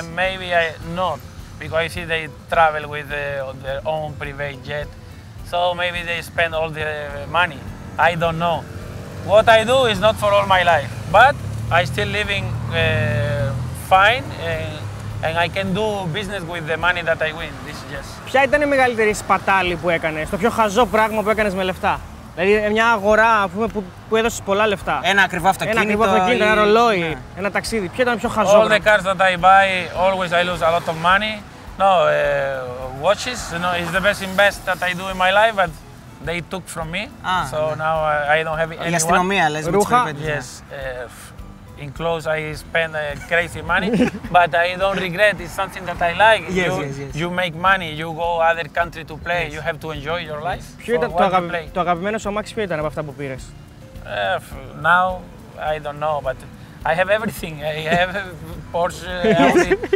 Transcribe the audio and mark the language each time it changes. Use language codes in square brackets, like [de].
[en] And maybe I not, because I see they travel with their own private jet. So maybe they spend all the money. I don't know. What I do is not for all my life, but I still living fine. And I can do business with the money that I win. This is just. [el] Ποια ήταν η μεγαλύτερη σπατάλη που έκανες, το πιο χαζό πράγμα που έκανες με λεφτά. Δηλαδή μια αγορά που έδωσες πολλά λεφτά. Ένα ακριβό αυτοκίνητο. Ένα ακριβό αυτοκίνητο, ένα ρολόι, ένα ταξίδι. Ποιο ήταν πιο χαζό. [en] All the cars that I buy, always I lose a lot of money. No, watches, you know, it's the best invest that I do in my life, but they took from me. So now I don't have anyone. [el] Η αστυνομία, λες, ρούχα. [en] Yes. In clothes, I spend crazy money, but I don't regret. It's something that I like. Yes, You make money. You go other country to play. Yes. You have to enjoy your life. [el] Ποιο ήταν το αγαπημένο σου αμάξι, ποιο ήταν από αυτά που πήρες? [en] Now, I don't know, but I have everything. I have Porsche, Audi.